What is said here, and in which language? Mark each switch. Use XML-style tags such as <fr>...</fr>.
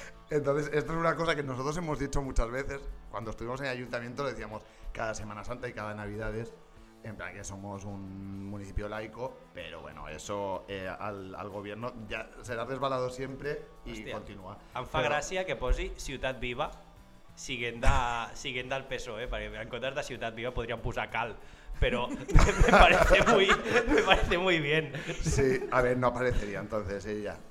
<es>Entonces, esto es una cosa que nosotros hemos dicho muchas veces. Cuando estuvimos en el ayuntamiento, lo decíamos cada Semana Santa y cada Navidades, en plan que somos un municipio laico, pero bueno, eso al gobierno ya será resbalado siempre y hostia, continúa.</es> <ca>Em fa gràcia que posi Ciutat Viva, siguent del PSOE, perquè en comptes de Ciutat Viva podríem posar Cal, però</ca> <es>me parece muy bien. Sí, a ver, no aparecería entonces ella.</es>